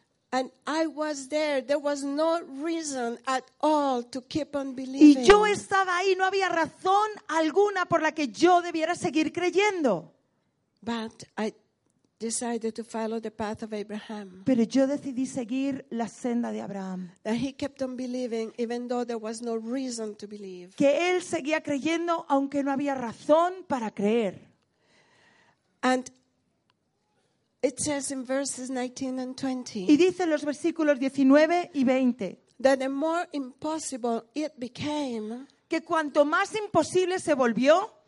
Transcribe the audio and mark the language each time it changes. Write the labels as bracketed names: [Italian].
[English] And I was there. There was no reason at all to keep on believing. [Spanish] Y yo estaba ahí. No había razón alguna por la que yo debiera seguir creyendo. [English] But I decided to follow the path of Abraham. [Spanish] Pero yo decidí seguir la senda de Abraham. [English] That he kept on believing even though there was no reason to believe. [Spanish] Que él seguía creyendo aunque no había razón para creer. [English] And it says in verses 19 and 20. [Spanish] Y dice en los versículos 19 y 20. [English] That the more impossible it became, [Spanish] que cuanto más imposible se volvió,